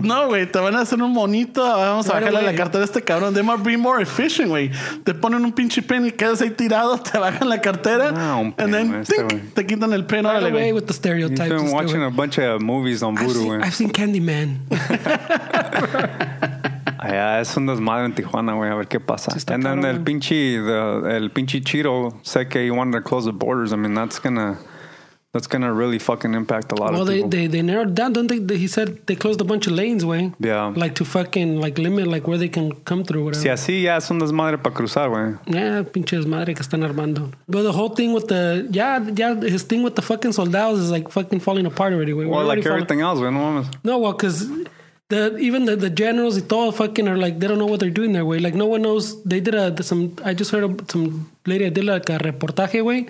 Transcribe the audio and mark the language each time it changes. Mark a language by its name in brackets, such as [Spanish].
[Spanish] No, güey, te van a hacer un monito, vamos a bajarle la cartera a este cabrón. [English] They might be more efficient, [Spanish] güey. Te ponen un pinche pen y quedas ahí tirado, te bajan la cartera. No, un pen, [English] and then, [Spanish] te quitan el pen. [English] Right away with the stereotypes. You've been watching a bunch of movies on buru, güey. I've seen Candyman. [Spanish] Yeah, es un desmadre en Tijuana, güey. A ver qué pasa. [English] Just and then el pinche Chiro said he wanted to close the borders. I mean, that's gonna really fucking impact a lot of people. Well, they narrowed down, don't they? He said they closed a bunch of lanes, güey. Yeah. Like to fucking like limit like where they can come through, whatever. [Spanish] Si así, yeah, es un desmadre para cruzar, güey. Yeah, pinche desmadre que están armando. [English] But the whole thing with the, his thing with the fucking soldados is like fucking falling apart already, güey. Well, like everything else, güey. No, because... The generals, it all fucking are like, they don't know what they're doing their way. Like, no one knows. They did I just heard of some lady, I did like a reportaje, way.